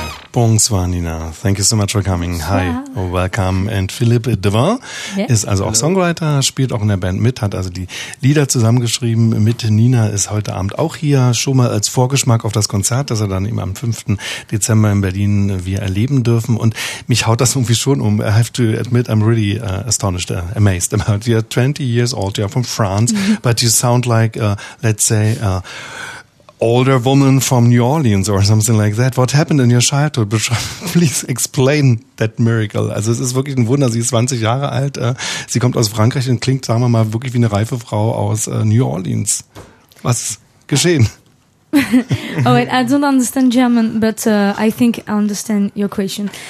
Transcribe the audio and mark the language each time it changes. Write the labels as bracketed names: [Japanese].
[French] Bonsoir, Nina. [English] Thank you so much for coming. Hi, oh, welcome. And [German] Philippe Devin ist also auch Songwriter, spielt auch in der Band mit, hat also die Lieder zusammengeschrieben mit Nina, ist heute Abend auch hier, schon mal als Vorgeschmack auf das Konzert, das er dann eben am 5. Dezember in Berlin wir erleben dürfen. Und mich haut das irgendwie schon um. [English] I have to admit, I'm really astonished, amazed. You're 20 years old, you're from France, but you sound like, let's say, older woman from New Orleans or something like that. What happened in your childhood? Please explain that miracle. [German] Also es ist wirklich ein Wunder. Sie ist 20 Jahre alt. Sie kommt aus Frankreich und klingt, sagen wir mal, wirklich wie eine reife Frau aus New Orleans. Was ist geschehen? [English] Oh wait, I don't understand German, but I think I understand your question.